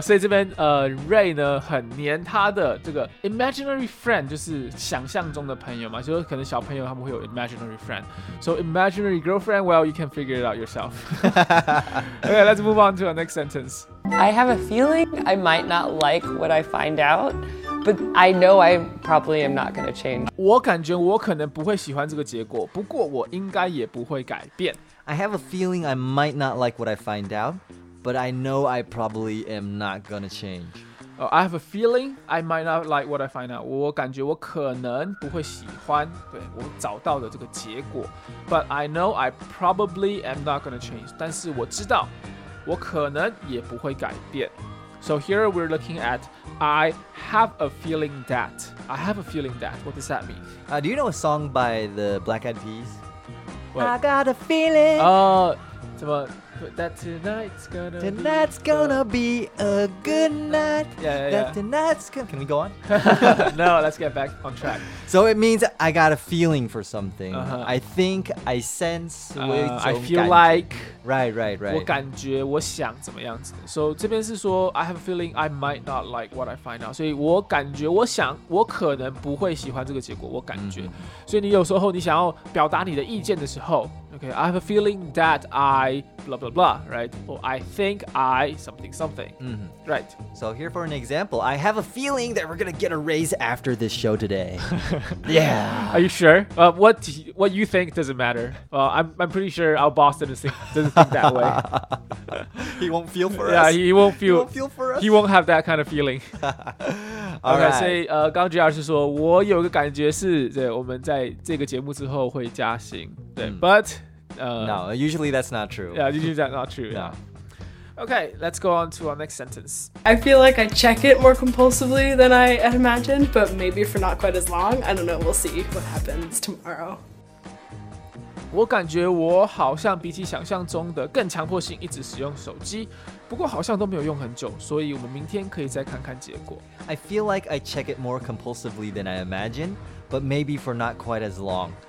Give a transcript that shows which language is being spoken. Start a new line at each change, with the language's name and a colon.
Chinese: 所以这边、Ray 呢很黏他的这个 imaginary friend, 就是想象中的朋友嘛，就可能小朋友他们会有 imaginary friend.
English: So imaginary girlfriend, well, you can figure it out yourself. Okay, let's move on to our next sentence. I have a feeling I might not like what I find out. But I know I probably am not going to change.
Chinese: 我感觉我可能不会喜欢这个结果，不过我应该也不会改变。
English: I have a feeling I might not like what I find out, but I know I probably am not going to change. Oh, I have a feeling I might not like what I find out.
Chinese: 我感觉我可能不会喜欢对我找到的这个结果。
English: But I know I probably am not going to change.
Chinese: 但是我知道我可能也不会改变。
English: So here we're looking at, I have a feeling that. I have a feeling that. What does that mean?、 Do you know a song by the Black Eyed Peas?、 What? I got a feeling. Oh, that tonight's gonna be. Tonight's gonna be a good night. Yeah. That tonight's gonna. Can we go on? No, let's get back on track. So it means I got a feeling for something.、Uh-huh. I think, I sense, I feel like. Right.
Chinese: 我感觉我想怎么样子的。
English: So
Chinese: 这边是说
English: I have a feeling I might not like what I find out.
Chinese: 所以我感觉我想我可能不会喜欢这个结果。我感觉。Mm-hmm. 所以你有时候你想要表达你的意见的时候
English: okay, I have a feeling that I blah blah blah, right? Or I think I something something.、 Mm-hmm. Right. So here for an example, I have a feeling that we're going to get a raise after this show today. Yeah. Are you sure? What you think doesn't matter. Well, I'm pretty sure our boss doesn't think that way. He won't feel for yeah, Yeah, he won't feel. He won't feel for us. He won't have that kind of feeling. All okay, right.
Chinese: 所以刚刚 JR 是说，我有个感觉是，对，我们在这个节目之后会加薪。对、mm. ，but
English: no, usually that's not true. Yeah, usually that's not true. Yeah. Okay, let's go on to our next sentence. I feel like I check it more compulsively than I had imagined, but maybe for not quite as long. I don't know. We'll see what happens tomorrow.
Chinese: 我感觉我好像比起想象中的更强迫性一直使用手机，不过好像都没有用很久，所以我们明天可以再看看结果。
English: I feel like I check it more compulsively than I imagined, but maybe for not quite as long.